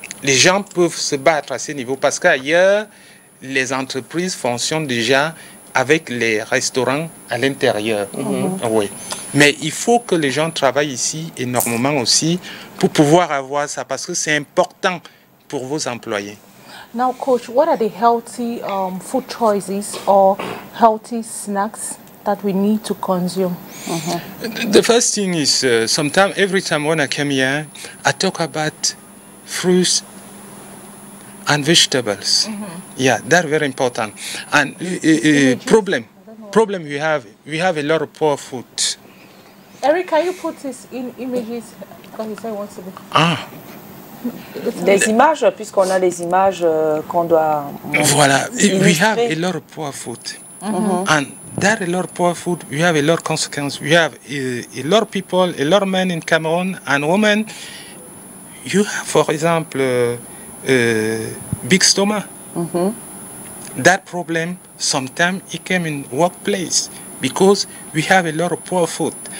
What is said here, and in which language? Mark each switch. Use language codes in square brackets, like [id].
[fr] les gens peuvent se battre à ce niveau parce qu'ailleurs, les entreprises fonctionnent déjà avec les restaurants à l'intérieur. Mmh. Oui. Mais il faut que les gens travaillent ici énormément aussi pour pouvoir avoir ça parce que c'est important pour vos employés. [en] Now, coach, what are the healthy food choices or healthy snacks that we need to consume? The first thing is sometimes, every time when I come here, I talk about fruits and vegetables. Yeah, that's very important. And problem we have a lot of poor food. Eric, can you put this in images? Ah. [fr] Des images, puisqu'on a les images qu'on doit montrer. [en] Voilà, we have a lot of poor food. And that a lot of poor food, we have a lot of consequences. We have a lot of people, a lot of men in Cameroon and women. You have, for example, big stomach. That problem, sometimes it came in workplace because we have a lot of poor food.